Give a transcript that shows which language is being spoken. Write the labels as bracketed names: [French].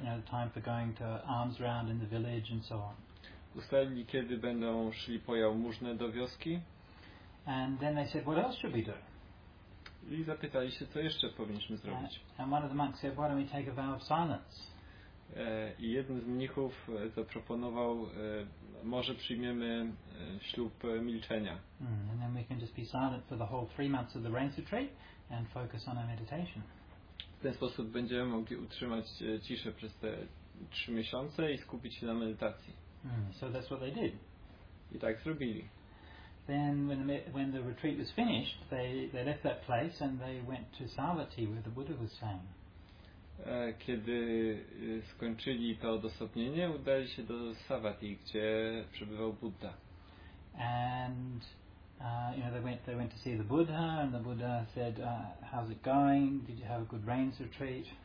[English] Time for going to arms round in the village and so on. [Polish] Ustalili, kiedy będą szli po jałmużnę do wioski. [English] And then they said, what else should we do? [Polish] I zapytali się, co jeszcze powinniśmy zrobić. [English] And one of the monks said, why don't we take a vow of silence? [Polish] I jeden z mnichów zaproponował, może przyjmiemy ślub milczenia. [English] And then we can just be silent for the whole 3 months of the rain retreat and focus on our meditation. [Polish] W ten sposób będziemy mogli utrzymać ciszę przez te 3 miesiące i skupić się na medytacji. [English] Mm, so that's what they did. [Polish] I tak zrobili. [English] Then when the retreat was finished, they left that place and they went to Savatthi where the Buddha was staying. [Polish] Kiedy skończyli to odosobnienie, udali się do Savatthi, gdzie przebywał Buddha. [English] And they went to see the Buddha, and the Buddha said, "How's it going? Did you have a good rains retreat?"